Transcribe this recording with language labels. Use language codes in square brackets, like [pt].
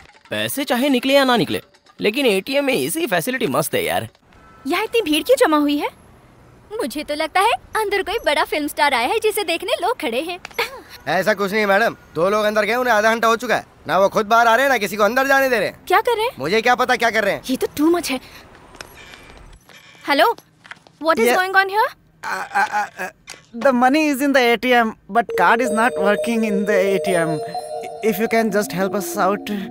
[hi] पैसे चाहे निकले या ना निकले, लेकिन एटीएम में इसी फैसिलिटी मस्त है यार। यहाँ इतनी भीड़ क्यों जमा हुई है? मुझे तो लगता है अंदर कोई बड़ा फिल्म स्टार आया है जिसे देखने लोग खड़े हैं। ऐसा कुछ नहीं मैडम, दो लोग अंदर गए, उन्हें आधा घंटा हो चुका है, ना वो खुद बाहर आ रहे हैं ना किसी को अंदर जाने दे रहे हैं। क्या कर रहे हैं? मुझे क्या पता क्या कर रहे हैं, ये तो टू मच है। [en] Hello, what is going on here? The money is in the ATM but card is not working in the ATM, if you can just help us out.